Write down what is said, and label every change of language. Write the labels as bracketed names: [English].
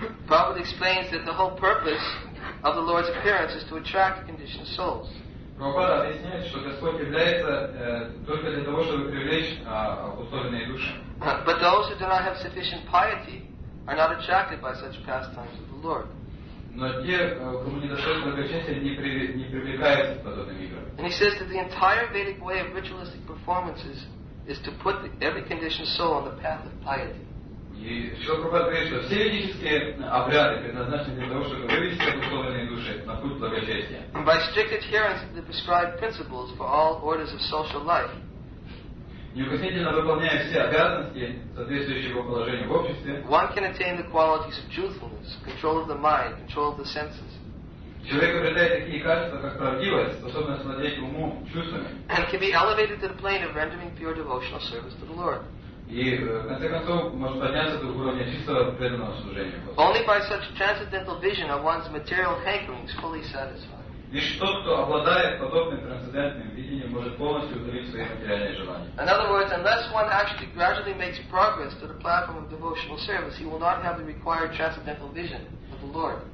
[English] Prabhupada explains that the whole purpose of the Lord's appearance is to attract conditioned souls. [Russian] Prabhupada объясняет, что Господь является только для того, чтобы привлечь обусловленные души. [English] But those who do not have sufficient piety are not attracted by such pastimes of the Lord. [Russian] Но те, кому недостаточно благочестия, не привлекаются к подобным играм. [English] And he says that the entire Vedic way of ritualistic performances is to put every conditioned soul on the path of piety. And by strict adherence to the prescribed principles for all orders of social life. [Russian] неукоснительно выполняя все обязанности соответствующего положения в обществе, [English] one can attain the qualities of truthfulness, control of the mind, control of the senses. [Russian] Человек обретает такие качества, как правдивость, способность владеть умом, чувствами, [English] and can be elevated to the plane of rendering pure devotional service to the Lord. [Russian] И в конце концов может подняться до уровня чистого преданного служения. [English] Only by such transcendental vision are one's material hankerings fully satisfied. [Russian] Лишь тот, кто обладает подобным трансцендентным видением, может полностью удовлетворить свои материальные желания. [English] In other words, unless one actually gradually makes progress to the platform of devotional service, he will not have the required transcendental vision of the Lord.